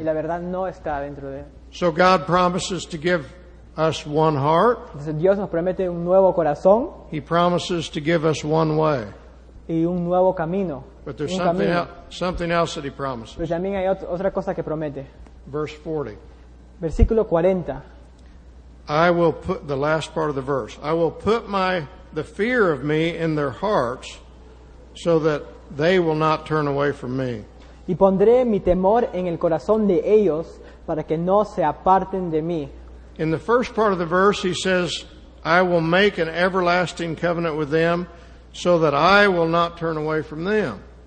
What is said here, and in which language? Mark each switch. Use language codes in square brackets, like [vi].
[es] Y la verdad no está dentro de él. [en] So God promises to give us one heart. [es] Entonces, Dios nos promete un nuevo corazón. [en] He promises to give us one way. [es] Y un nuevo camino. [en] But there's something else that he promises. [es] Pero también hay otra cosa que promete. [en] Verse 40. [es] Versículo 40. [en] I will put the last part of the verse. I will put the fear of me in their hearts so that they will not turn away from me. [es] Y pondré mi temor en el corazón de ellos para que no se aparten de mí. [en] In the first part of the verse he says, I will make an everlasting covenant with them so that I will not turn away from them.